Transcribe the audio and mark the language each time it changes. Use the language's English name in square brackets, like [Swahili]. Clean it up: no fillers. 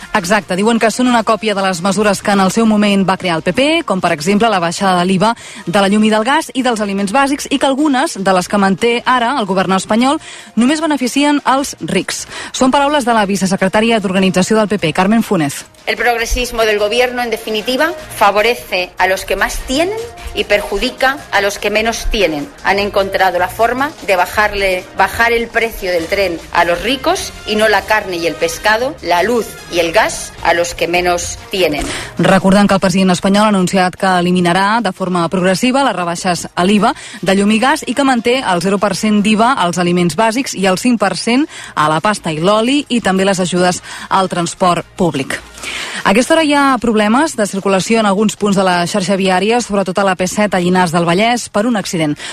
[Catalan] Exacte, diuen que són una còpia de les mesures que en el seu moment va crear el PP, com per exemple la baixada de l'IVA, de la llum i del gas i dels aliments bàsics, i que algunes de les que manté ara el govern espanyol només beneficien els rics. Són paraules de la vicesecretària d'Organització del PP, Carmen Funes. [Spanish] El progresismo del gobierno, en definitiva, favorece a los que más tienen y perjudica a los que menos tienen. Han encontrado la forma de bajar el precio del tren a los ricos y no la carne y el pescado, la luz y el gas a los que menos tienen. [Catalan] Recordant que el president espanyol ha anunciat que eliminarà de forma progressiva les rebaixes a l'IVA de llum i gas i que manté el 0% d'IVA als aliments bàsics i el 5% a la pasta i l'oli i també les ajudes al transport públic. A aquesta hora hi ha problemes de circulació en alguns punts de la xarxa viària, sobretot a la P7 a Llinars del Vallès, per un accident.